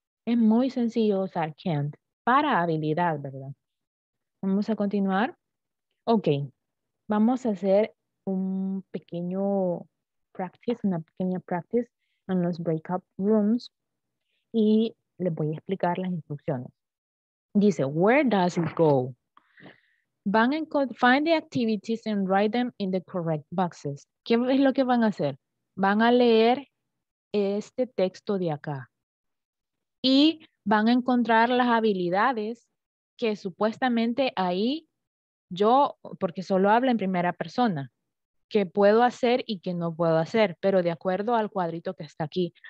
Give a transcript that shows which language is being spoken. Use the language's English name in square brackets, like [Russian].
[Spanish] Es muy sencillo usar can't para habilidad, ¿verdad? Vamos a continuar. Ok, vamos a hacer un pequeño practice, una pequeña practice en los breakout rooms y les voy a explicar las instrucciones. [English] Dice, where does it go? [Spanish] Van a [English] find the activities and write them in the correct boxes. [Spanish] ¿Qué es lo que van a hacer? Van a leer este texto de acá y van a encontrar las habilidades que supuestamente ahí yo, porque solo habla en primera persona, que puedo hacer y que no puedo hacer, pero de acuerdo al cuadrito que está aquí.